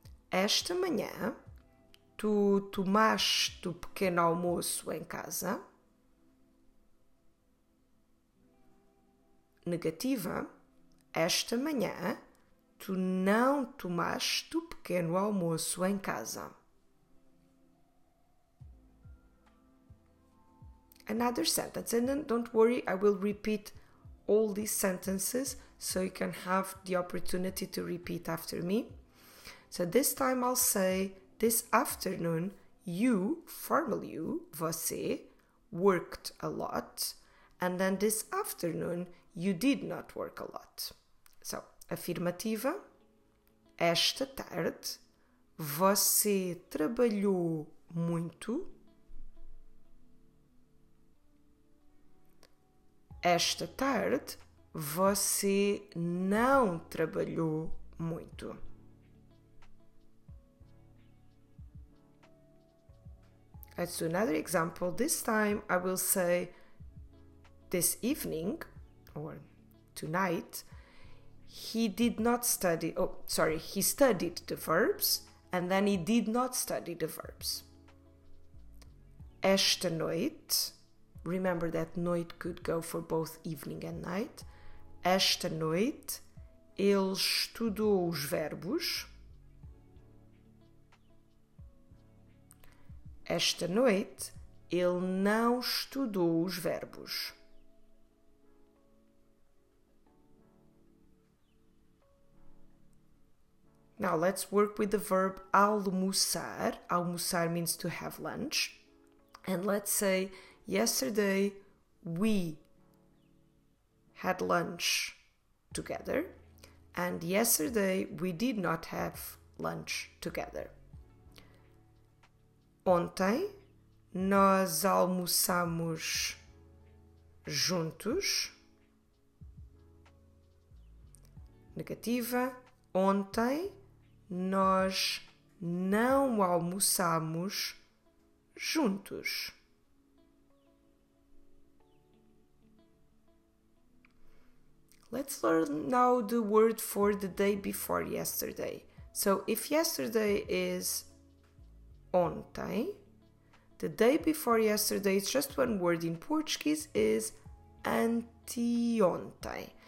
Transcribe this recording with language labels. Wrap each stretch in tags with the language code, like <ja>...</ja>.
<pt>Esta manhã, tu tomaste o pequeno almoço em casa. Negativa, esta manhã, tu não tomaste o pequeno almoço em casa.</pt> <en>Another sentence, and then don't worry, I will repeat all these sentences so you can have the opportunity to repeat after me. So this time I'll say, this afternoon, you, formerly you, você, worked a lot. And then this afternoon, you did not work a lot.</en> <pt>So, afirmativa, esta tarde, você trabalhou muito. Esta tarde, você não trabalhou muito.</pt> <en>Let's do another example. This time, I will say, this evening, or tonight, he did not study, he studied the verbs, and then he did not study the verbs.</en> <pt>Esta noite,</pt> <en>remember that noite could go for both evening and night.</en> <pt>Esta noite, ele estudou os verbos. Esta noite, ele não estudou os verbos.</pt> <en>Now, let's work with the verb almoçar. Almoçar means to have lunch. And let's say, yesterday, we had lunch together, and yesterday, we did not have lunch together.</en> <pt>Ontem, nós almoçamos juntos. Negativa. Ontem, nós não almoçamos juntos.</pt> <en>Let's learn now the word for the day before yesterday. So, if yesterday is ontem, the day before yesterday is just one word in Portuguese, is anteontem.</en>